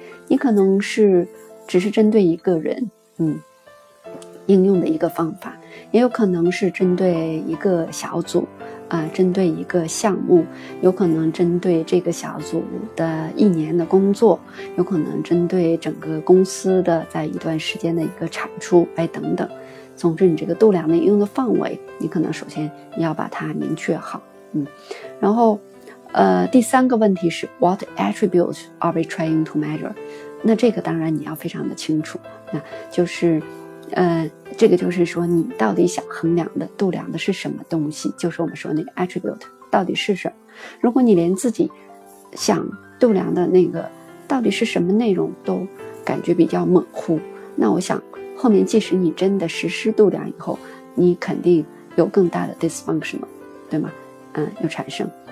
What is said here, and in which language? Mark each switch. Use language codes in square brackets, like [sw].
[zh] 你可能是只是针对一个人应用的一个方法，也有可能是针对一个小组针对一个项目，有可能针对这个小组的一年的工作，有可能针对整个公司的在一段时间的一个产出，哎等等。总之你这个度量的应用的范围，你可能首先你要把它明确好。然后第三个问题是 [en] what attributes are we trying to measure？ [zh] 那这个当然你要非常的清楚，那就是这个就是说你到底想衡量的度量的是什么东西，就是我们说那个 attribute 到底是什么。如果你连自己想度量的那个到底是什么内容都感觉比较模糊，那我想后面即使你真的实施度量以后，你肯定有更大的 dysfunctional， 对吗？有产生。